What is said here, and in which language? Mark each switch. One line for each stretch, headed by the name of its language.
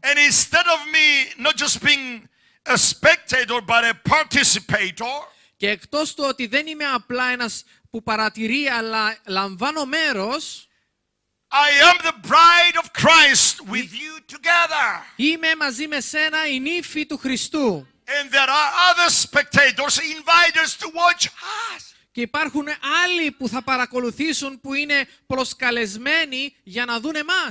English: And instead of me not just being a spectator but a participator,
Greek: και εκτός του ότι δεν είμαι απλά ένας που παρατηρεί αλλά λαμβάνω μέρος,
English: I am the bride of Christ with you together.
Greek: Είμαι μαζί με σένα η νύφη του Χριστού.
English: And there are other spectators invited to watch us.
Greek: Και υπάρχουν άλλοι που θα παρακολουθήσουν που είναι προσκαλεσμένοι για να δουν εμάς.